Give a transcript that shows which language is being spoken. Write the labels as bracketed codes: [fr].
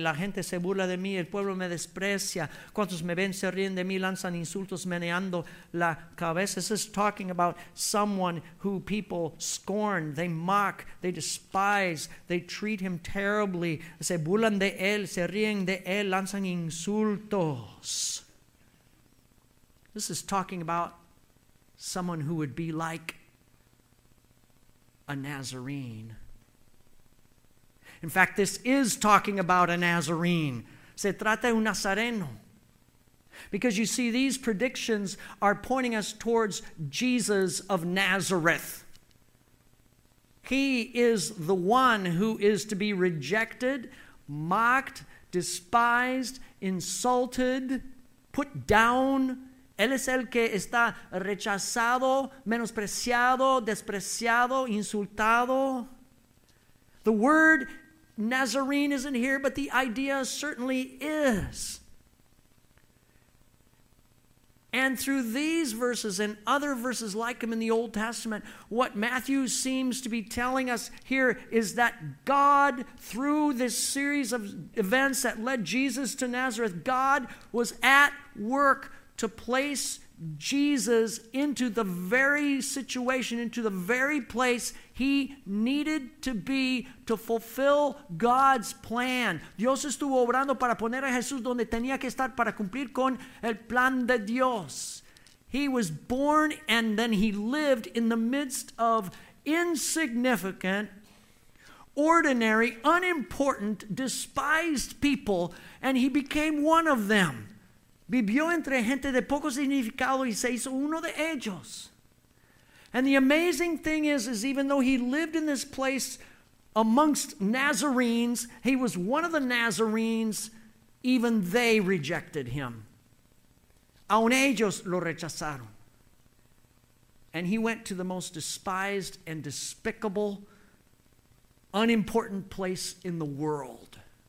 [es] La gente se burla de mí. El pueblo me desprecia. Cuantos me ven se ríen de mí. Lanzan insultos meneando la cabeza. [en] This is talking about someone who people scorn. They mock. They despise. They treat him terribly. [es] Se burlan de él. Se ríen de él. Lanzan insultos. [en] This is talking about someone who would be like a Nazarene. In fact, this is talking about a Nazarene. [es] Se trata de un Nazareno. [en] Because you see, these predictions are pointing us towards Jesus of Nazareth. He is the one who is to be rejected, mocked, despised, insulted, put down. [es] Él es el que está rechazado, menospreciado, despreciado, insultado. [en] The word Nazarene isn't here, but the idea certainly is. And through these verses and other verses like them in the Old Testament, what Matthew seems to be telling us here is that God, through this series of events that led Jesus to Nazareth, God was at work to place Jesus into the very situation, into the very place he needed to be to fulfill God's plan. [es] Dios estuvo obrando para poner a Jesús donde tenía que estar para cumplir con el plan de Dios. [en] He was born and then he lived in the midst of insignificant, ordinary, unimportant, despised people, and he became one of them. [es] Vivió entre gente de poco significado y se hizo uno de ellos. [en] And the amazing thing is even though he lived in this place amongst Nazarenes, he was one of the Nazarenes, even they rejected him. [es] Aun ellos lo rechazaron. [en] And he went to the most despised and despicable, unimportant place in the world.